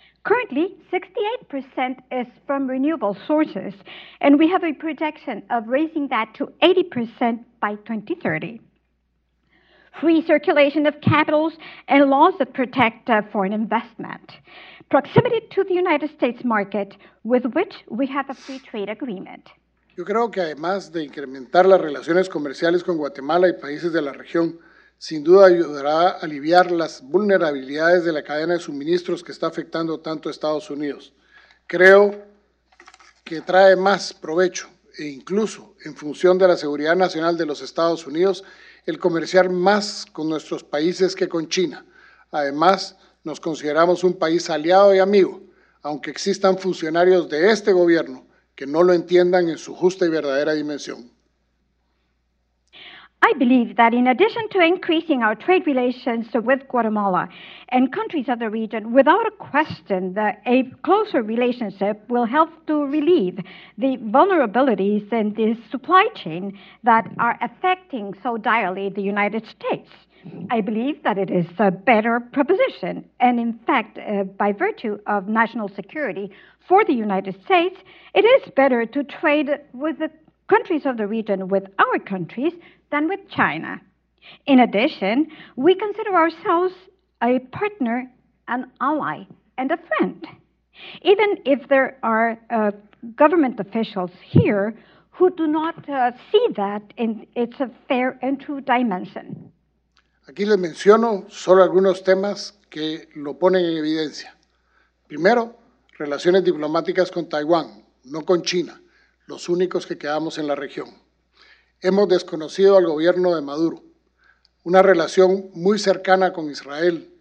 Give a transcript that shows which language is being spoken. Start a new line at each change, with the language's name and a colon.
English: Currently, 68% is from renewable sources, and we have a projection of raising that to 80% by 2030. Free circulation of capitals and laws that protect foreign investment. Proximity to the United States market, with which we have a free trade agreement.
Spanish: Yo creo que además de incrementar las relaciones comerciales con Guatemala y países de la región, sin duda ayudará a aliviar las vulnerabilidades de la cadena de suministros que está afectando tanto a Estados Unidos. Creo que trae más provecho e incluso en función de la seguridad nacional de los Estados Unidos el comerciar más con nuestros países que con China. Además, nos consideramos un país aliado y amigo, aunque existan funcionarios de este gobierno que no lo entiendan en su justa y verdadera dimensión.
English: I believe that in addition to increasing our trade relations with Guatemala and countries of the region, without a question, that a closer relationship will help to relieve the vulnerabilities in the supply chain that are affecting so direly the United States. I believe that it is a better proposition. And in fact, by virtue of national security for the United States, it is better to trade with the countries of the region with our countries than with China. In addition, we consider ourselves a partner, an ally, and a friend. Even if there are government officials here who do not see that in its a fair and true dimension.
Spanish: Aquí les menciono solo algunos temas que lo ponen en evidencia. Primero, relaciones diplomáticas con Taiwán, no con China, los únicos que quedamos en la región. Hemos desconocido al gobierno de Maduro. Una relación muy cercana con Israel.